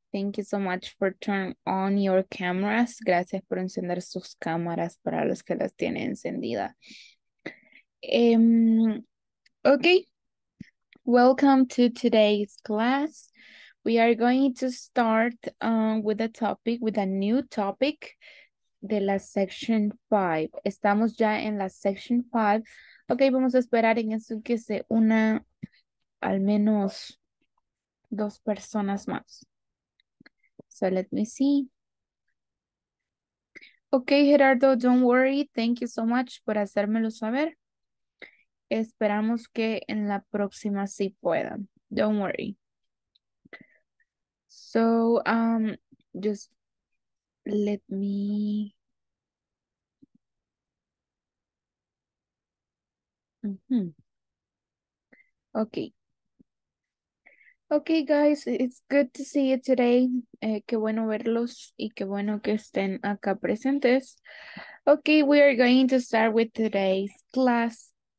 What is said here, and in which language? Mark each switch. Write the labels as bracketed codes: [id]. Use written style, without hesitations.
[en] Thank you so much for turning on your cameras. [es] Gracias por encender sus cámaras para los que las tienen encendidas. [en] Okay, welcome to today's class. We are going to start with a topic, with a new topic [es] de la [en] section 5. [es] Estamos ya en la section 5. Okay, vamos a esperar en eso que se una al menos dos personas más. [en] So let me see. Okay, Gerardo, don't worry. Thank you so much [es] por hacérmelo saber. Esperamos que en la próxima sí puedan. [en] Don't worry. So, just let me. Okay. Okay, guys, it's good to see you today. [es] Qué bueno verlos y qué bueno que estén acá presentes. [en] Okay, we are going to start with today's class.